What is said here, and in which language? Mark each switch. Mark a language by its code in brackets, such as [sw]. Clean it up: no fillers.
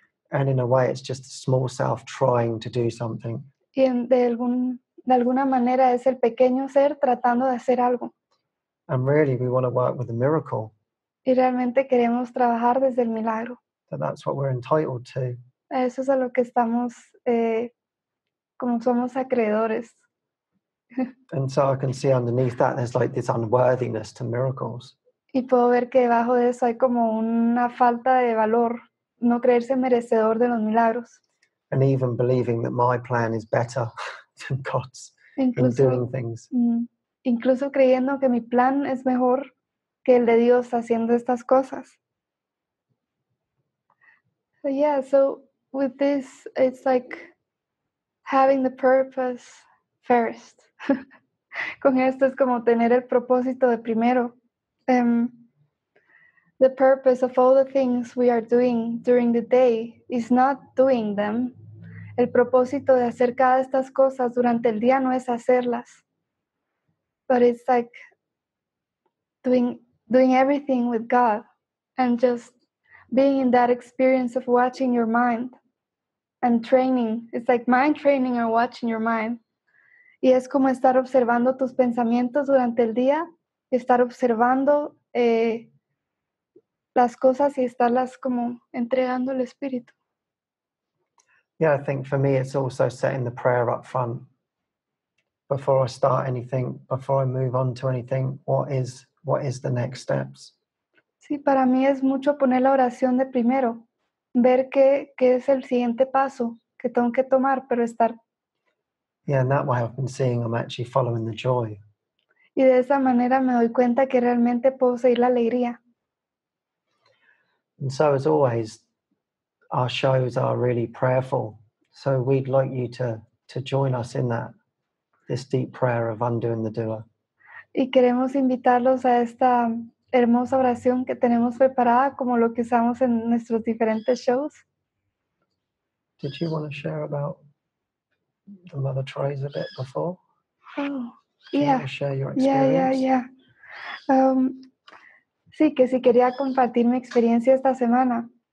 [en] And in a way, it's just a small self trying to do something. [es] Y de alguna manera es el pequeño ser tratando de hacer algo. [en] And really, we want to work with a miracle. [es] Y realmente queremos trabajar desde el milagro. [en] That's what we're entitled to. [es] Eso es a lo que estamos, como somos acreedores. [en] And so I can see underneath that there's like this unworthiness to miracles. [es] Y puedo ver que debajo de eso hay como una falta de valor, no creerse merecedor de los milagros. [en] And even believing that my plan is better than God's. [es] incluso, [en] in doing things. [es] Incluso creyendo que mi plan es mejor que el de Dios haciendo estas cosas. [en] So, yeah, so with this, it's like having the purpose first. [es] Con esto es como tener el propósito de primero. [en] The purpose of all the things we are doing during the day is not doing them. [es] El propósito de hacer cada estas cosas durante el día no es hacerlas. [en] But it's like doing everything with God and just being in that experience of watching your mind and training. It's like mind training or watching your mind. [es] Y es como estar observando tus pensamientos durante el día, estar observando las cosas y estarlas como entregando al espíritu. [en] Yeah, I think for me it's also setting the prayer up front. Before I start anything, before I move on to anything, what is the next steps? [es] Sí, para mí es mucho poner la oración de primero, ver qué es el siguiente paso que tengo que tomar, pero estar. [en] Yeah, and that way I've been seeing I'm actually following the joy. [es] Y de esa manera me doy cuenta que realmente puedo seguir la alegría. [en] And so as always, our shows are really prayerful. So we'd like you to join us in that, this deep prayer of undoing the doer. [es] Y queremos invitarlos a esta hermosa oración que tenemos preparada como lo que usamos en nuestros diferentes shows. [en] Did you want to share about the Mother Trays a bit before? [es] Sí, que si quería compartir mi experiencia esta semana.